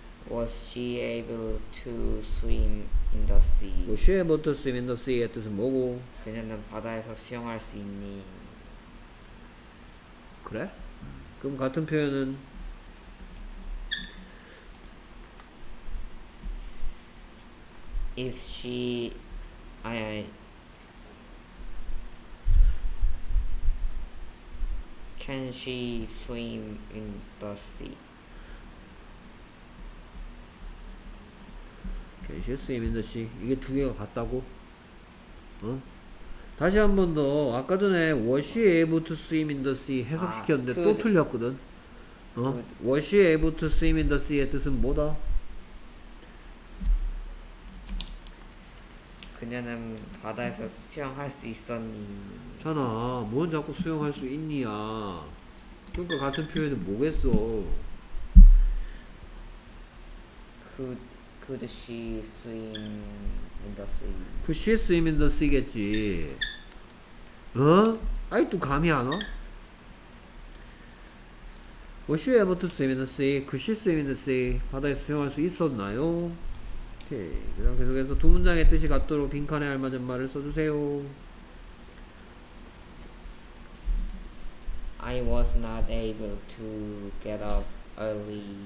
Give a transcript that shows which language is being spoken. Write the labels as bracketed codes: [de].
[en] Was she able to swim in the sea? Was she able to swim in the sea? [ko] 뜻은 뭐고? 그녀는 바다에서 수영할 수 있니? 그래? 그럼 같은 표현은? [en] Is she... [ko] 아니 [en] Can she swim in the sea? Can she swim in the sea? [ko] 이게 두 개가 같다고? 응? 다시 한 번 더 아까 전에 [en] Was she able to swim in the sea? [ko] 해석시켰는데 또 틀렸거든? 어? [en] Was she able to swim in the sea의 [ko] 뜻은 뭐다? 그녀는 바다에서 수영할 수 있었니? 잖아 뭔 자꾸 수영할 수 있니야 그러니까 같은 표현은 뭐겠어? [en] Could she swim in the sea? Could she swim in the sea겠지? [ko] 어? 아이 또 감이 안 와? [en] Was she able to swim in the sea? Could she swim in the sea? [ko] 바다에 수영할 수 있었나요? 오케이. 그럼 계속해서 두 문장의 뜻이 같도록 빈칸에 알맞은 말을 써주세요. [en] I was not able to get up early.